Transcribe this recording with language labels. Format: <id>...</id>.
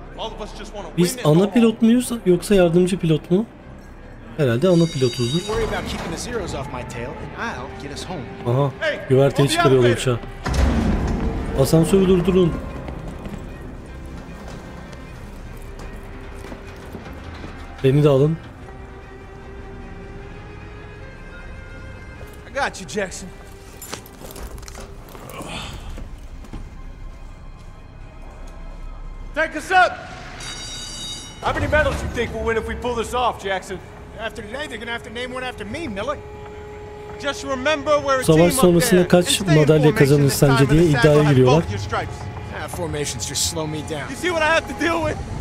<en>All of us just want to win.</en> <tr>Biz ana pilot muyuz yoksa yardımcı pilot mu? Herhalde ana pilotuzdur.</tr> <en>Worry about keeping the zeros off my tail, and I'll get us home.</en> <tr>Aha, güverteyi çıkarıyorlar uçağa. Asansörü durdurun. Beni de alın.</tr> <en>Got you, Jackson. Take us up. How many medals you think we'll win if we pull this off, Jackson? After today, they're gonna have to name one after me, Miller. Just remember where it's.</en> <tr>Savaş sonrasında kaç madalya kazanır sence diye iddiaya giriyorlar.</tr> <en>Formations just slow me down. You see what I have to deal with?</en>